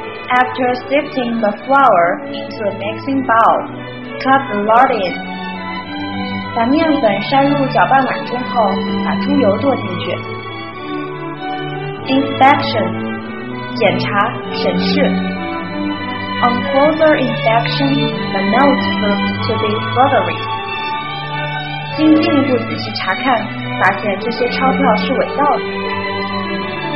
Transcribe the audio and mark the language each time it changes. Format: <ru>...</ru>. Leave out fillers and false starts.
<en>After sifting the flour into a mixing bowl, cut the lard in.</en> <zh>把面粉筛入搅拌碗中后，把猪油剁进去。 Inspection, 检查、审视。</zh> <en>On closer inspection, the note proved to be forgery.</en> <zh>经进一步仔细查看，发现这些钞票是伪造的。</zh>